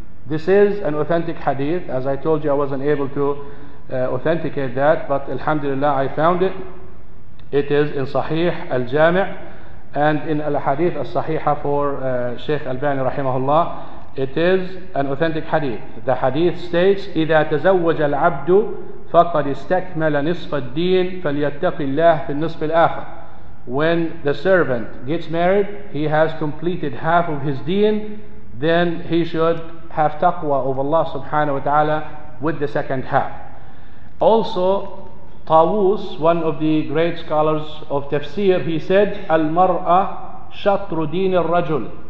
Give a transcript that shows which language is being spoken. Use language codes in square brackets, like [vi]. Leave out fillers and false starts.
[en] This is an authentic hadith. As I told you, I wasn't able to authenticate that, but alhamdulillah, I found it. It is in Sahih al-Jami' and in al-Hadith al-Sahiha for Sheikh Albani rahimahullah. It is an authentic hadith. The hadith states, [ar] إِذَا تَزَوَّجَ الْعَبْدُ فَقَدْ اسْتَكْمَلَ نِصْفَ الدِّينِ فَلْيَتَّقِ اللَّهِ فِي النِّصْفِ الْآخَرِ. [en] When the servant gets married, he has completed half of his deen, then he should have taqwa of Allah subhanahu wa ta'ala with the second half. Also, Tawus, one of the great scholars of tafsir, he said, [ar] Al-mar'a shatru deen al-rajul.